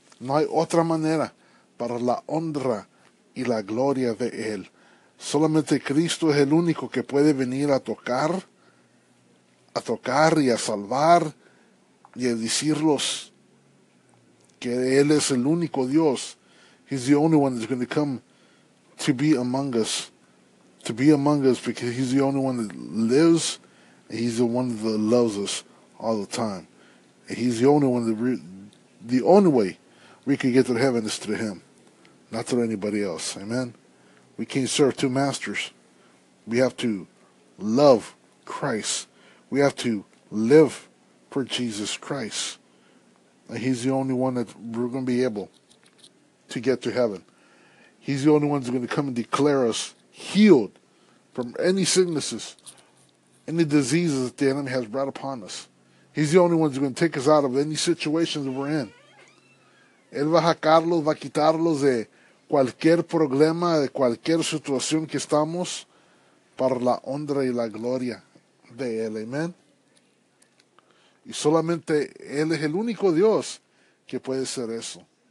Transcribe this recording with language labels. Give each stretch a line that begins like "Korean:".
Spanish: No hay otra manera para la honra y la gloria de Él. Solamente Cristo es el único que puede venir a tocar y a salvar y a decirlos que Él es el único Dios.
English: He's the only one that's going to come to be among us. To be among us, because he's the only one that lives, and he's the one that loves us all the time. And he's the only one that the only way we can get to heaven is through him, not through anybody else. Amen? We can't serve two masters. We have to love Christ. We have to live for Jesus Christ. And he's the only one that we're going to be able to get to heaven. He's the only one that's going to come and declare us healed from any sicknesses, any diseases that the enemy has brought upon us. He's the only one who's going to take us out of any situation that we're in.
Spanish: Él va a sacarlos, va a quitarlos de cualquier problema, de cualquier situación que estamos, para la honra y la gloria de Él. Amen. Y solamente Él es el único Dios que puede hacer eso.